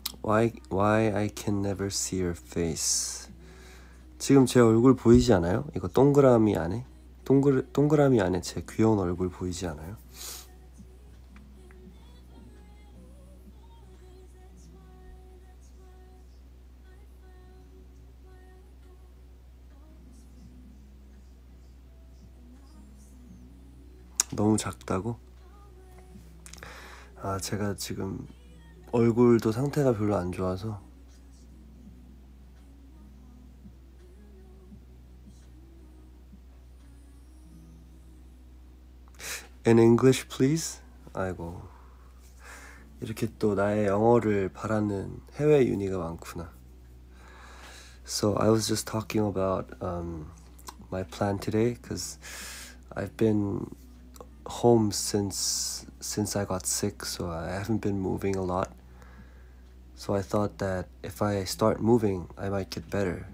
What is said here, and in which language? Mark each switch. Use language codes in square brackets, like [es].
[en] 'Why I can never see your face.' [ko] 지금 제 얼굴 보이지 않아요? 이거 동그라미 안에? 동그라미 안에 제 귀여운 얼굴 보이지 않아요? 너무 작다고? 아, 제가 지금 얼굴도 상태가 별로 안 좋아서. [en] 'In English, please.' [ko] 아이고, 이렇게 또 나의 영어를 바라는 해외 유니가 많구나. [en] So I was just talking about my plan today, because I've been home since I got sick, so I haven't been moving a lot. So I thought that if I start moving, I might get better.